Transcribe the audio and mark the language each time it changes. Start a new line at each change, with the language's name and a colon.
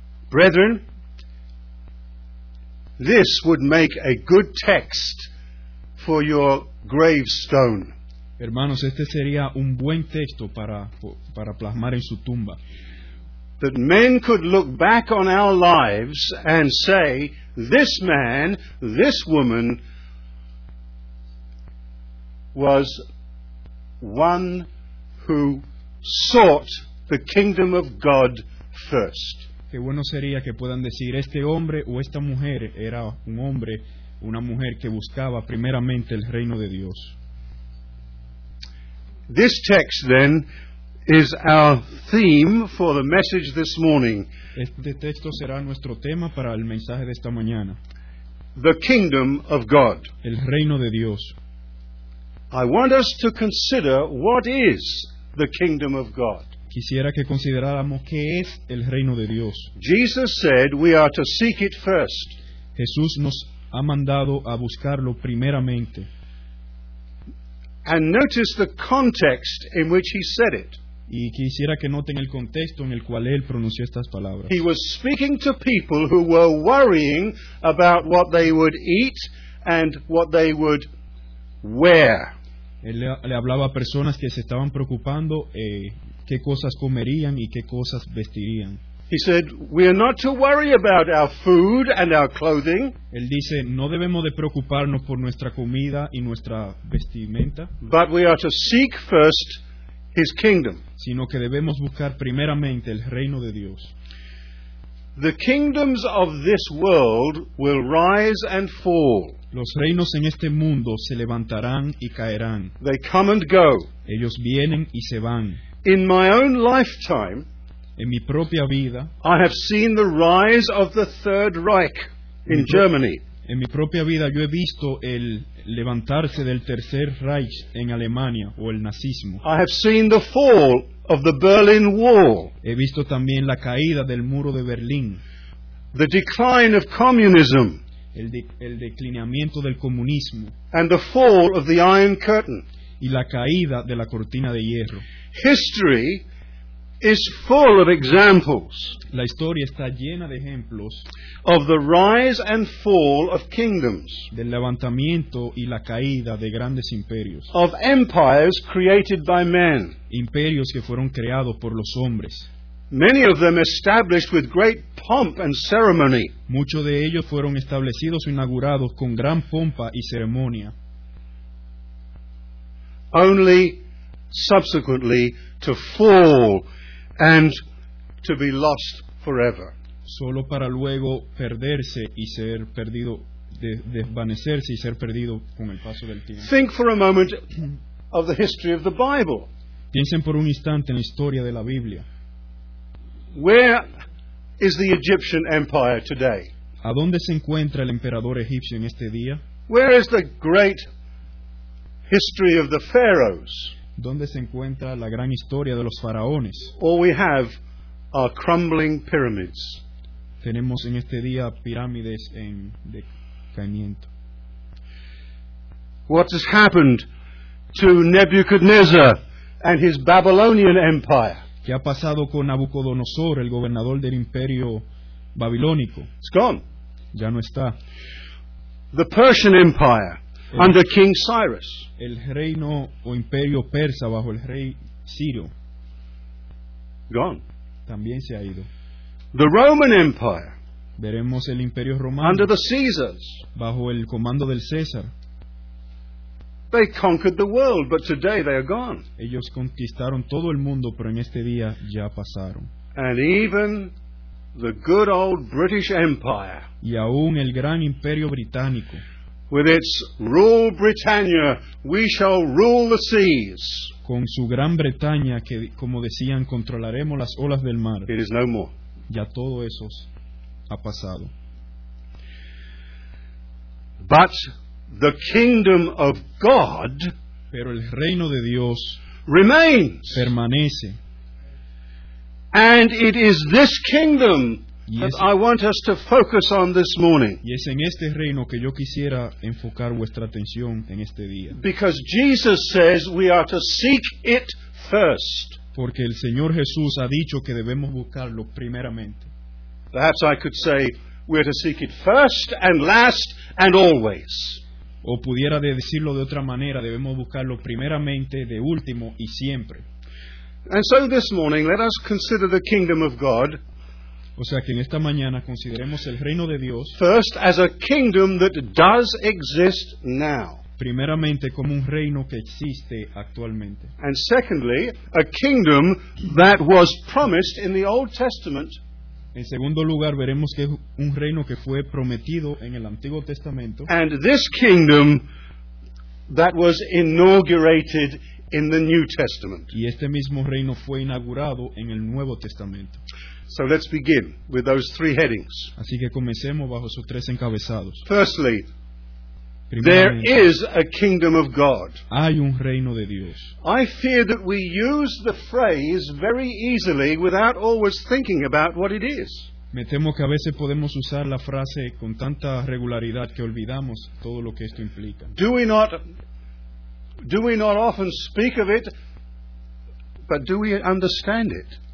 English: Brethren, this would make a good text for your gravestone.
Spanish: Hermanos, este sería un buen texto para plasmar en su tumba.
English: That men could look back on our lives and say, this man, this woman was one who sought the kingdom of God first.
Spanish: Qué bueno sería que puedan decir, este hombre o esta mujer era un hombre una mujer que buscaba primeramente el reino de Dios.
English: This text then is our theme for the message this morning.
Spanish: Este texto será nuestro tema para el mensaje de esta mañana.
English: The kingdom of God.
Spanish: El reino de Dios.
English: I want us to consider what is the kingdom of God.
Spanish: Quisiera que consideráramos qué es el reino de Dios.
English: Jesus said we are to seek it first.
Spanish: Jesús nos ha mandado a buscarlo primeramente.
English: And notice the context in which he said it.
Spanish: Y quisiera que noten el contexto en el cual él pronunció estas palabras.
English: He was speaking to people who were worrying about what they would eat and what they would wear.
Spanish: Él le hablaba a personas que se estaban preocupando qué cosas comerían y qué cosas vestirían.
English: He said, "We are not to worry about our food and our clothing."
Spanish: Él dice, "No debemos de preocuparnos por nuestra comida y nuestra vestimenta."
English: But we are to seek first His kingdom.
Spanish: Sino que debemos buscar primeramente el reino de Dios.
English: The kingdoms of this world will rise and fall.
Spanish: Los reinos en este mundo se levantarán y caerán.
English: They come and go.
Spanish: Ellos vienen y se van.
English: In my own lifetime,
Spanish: en mi propia vida,
English: I have seen the rise of the Third Reich in Germany.
Spanish: En mi propia vida yo he visto el levantarse del Tercer Reich en Alemania o el nazismo.
English: I have seen the fall of the Berlin Wall.
Spanish: He visto también la caída del Muro de Berlín.
English: The decline of communism.
Spanish: El declinamiento del comunismo.
English: And the fall of the Iron Curtain.
Spanish: Y la caída de la cortina de hierro.
English: History is full of examples.
Spanish: La historia está llena de ejemplos
English: of the rise and fall of kingdoms.
Spanish: Del levantamiento y la caída de grandes imperios.
English: Of empires created by men.
Spanish: Imperios que fueron creados por los hombres.
English: Many of them established with great pomp and ceremony.
Spanish: Muchos de ellos fueron establecidos o inaugurados con gran pompa y ceremonia.
English: Only subsequently to fall and to be lost forever.
Spanish: Solo para luego perderse y ser perdido, desvanecerse y ser perdido con el paso del tiempo.
English: Think for a moment of the history of the Bible.
Spanish: Piensen por un instante en la historia de la Biblia.
English: Where is the Egyptian Empire today?
Spanish: ¿A dónde se encuentra el emperador egipcio en este día?
English: Where is the great history of the pharaohs?
Spanish: ¿Dónde se encuentra la gran historia de los faraones?
English: All we have are crumbling pyramids.
Spanish: Tenemos en este día pirámides en decaimiento.
English: What has happened to Nebuchadnezzar and his Babylonian Empire?
Spanish: ¿Qué ha pasado con Nabucodonosor, el gobernador del imperio babilónico?
English: It's gone.
Spanish: Ya no está.
English: The Persian Empire. Under King Cyrus.
Spanish: El reino o imperio persa bajo el rey Ciro.
English: Gone.
Spanish: También se ha ido.
English: The Roman Empire.
Spanish: Veremos el imperio romano.
English: Under the Caesars.
Spanish: Bajo el comando del César.
English: They conquered the world, but today they are gone.
Spanish: Ellos conquistaron todo el mundo, pero en este día ya pasaron.
English: And even the good old British Empire.
Spanish: Y aún el gran imperio británico.
English: With its rule Britannia, we shall rule the seas.
Spanish: Con su Gran Bretaña, que como decían, controlaremos las olas del mar.
English: It is no more.
Spanish: Ya todo eso ha pasado.
English: But the kingdom of God.
Spanish: Pero el reino de Dios.
English: Remains.
Spanish: Permanece.
English: And it is this kingdom that I want us to focus on this morning.
Spanish: Y es en este reino que yo quisiera enfocar vuestra atención en este día.
English: Because Jesus says we are to seek it first.
Spanish: Porque el Señor Jesús ha dicho que debemos buscarlo primeramente.
English: Perhaps I could say we are to seek it first and last and always.
Spanish: O pudiera decirlo de otra manera, debemos buscarlo primeramente, de último y siempre.
English: And so this morning let us consider the kingdom of God.
Spanish: O sea que en esta mañana consideremos el reino de Dios.
English: First, as a kingdom that does exist now.
Spanish: Primeramente como un reino que existe actualmente.
English: And secondly, a kingdom that was promised in the Old Testament.
Spanish: En segundo lugar, veremos que es un reino que fue prometido en el Antiguo Testamento.
English: And this kingdom that was inaugurated in the New Testament.
Spanish: Y este mismo reino fue inaugurado en el Nuevo Testamento.
English: So let's begin with those three headings.
Spanish: Así que comencemos bajo sus tres encabezados.
English: Firstly, there is a kingdom of God.
Spanish: Hay un reino de Dios.
English: I fear that we use the phrase very easily without always thinking about what it is.
Spanish: Me temo que a veces podemos usar la frase con tanta regularidad que olvidamos todo lo que esto implica.
English: Do we not often speak of it, but do we understand it?